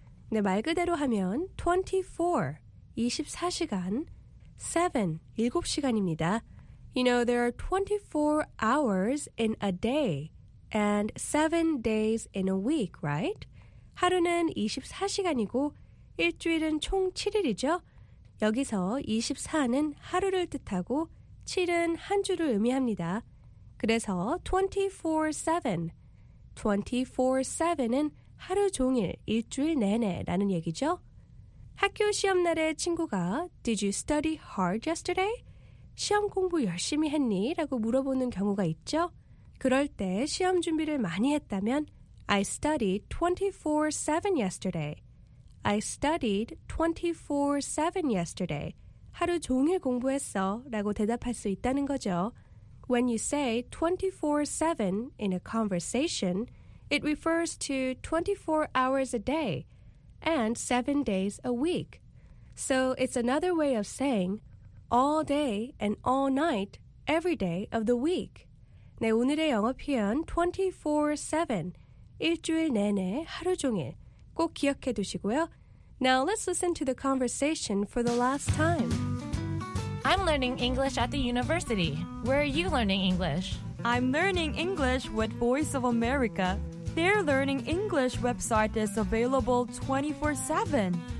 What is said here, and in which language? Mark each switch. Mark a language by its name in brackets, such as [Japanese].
[Korean] 네, 말 그대로 하면 24, 24시간, 7, 7시간입니다. [English] You know, there are 24 hours in a day and 7 days in a week, right? [Korean] 하루는 24시간이고 일주일은 총 7일이죠. 여기서 24는 하루를 뜻하고 7은 한 주를 의미합니다. 그래서 24/7, 24/7은 하루 종일 일주일 내내라는 얘기죠. 학교 시험 날에 친구가 [English] Did you study hard yesterday? [Korean] 시험 공부 열심히 했니? 라고 물어보는 경우가 있죠. 그럴 때 시험 준비를 많이 했다면 [English] I studied 24/7 yesterday. [Korean] I studied 24/7 yesterday. 하루 종일 공부했어 라고 대답할 수 있다는 거죠. [English] When you say 24/7 in a conversation, it refers to 24 hours a day and 7 days a week. So it's another way of saying all day and all night, every day of the week. [Korean] 네, 오늘의 영어 표현 24/7, 일주일 내내 하루 종일 꼭 기억해 두시고요. [English] Now let's listen to the conversation for the last time. I'm learning English at the university. Where are you learning English? I'm learning English with Voice of America. Their learning English website is available 24/7.